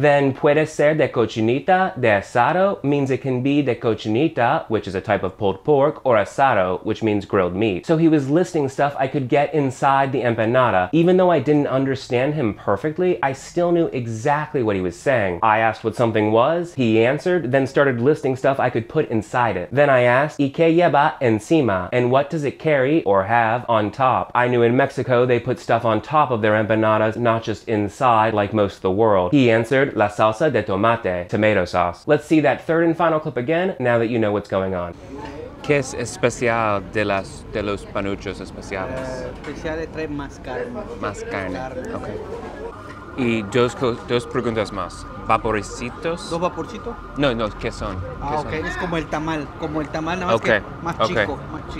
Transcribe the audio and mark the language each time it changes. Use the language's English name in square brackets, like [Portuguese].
[English] Then, [Spanish] puede ser de cochinita, de asado, [English] means it can be de cochinita, which is a type of pulled pork, or asado, which means grilled meat. So he was listing stuff I could get inside the empanada. Even though I didn't understand him perfectly, I still knew exactly what he was saying. I asked what something was, he answered, then started listing stuff I could put inside it. Then I asked, [Spanish] ¿y qué lleva encima? [English] And what does it carry, or have, on top? I knew in Mexico they put stuff on top of their empanadas, not just inside, like most of the world. He answered, [Spanish] la salsa de tomate, [English] tomato sauce. Let's see that third and final clip again, now that you know what's going on. [Spanish] ¿Qué es especial de los panuchos especiales? Especial de traer más carne. Más carne. Carne. Okay. Y dos preguntas más. ¿Vaporcitos? ¿Dos vaporcitos? No, no, ¿qué son? ¿Qué son? Es como el tamal, nada más que más, chico, más chico.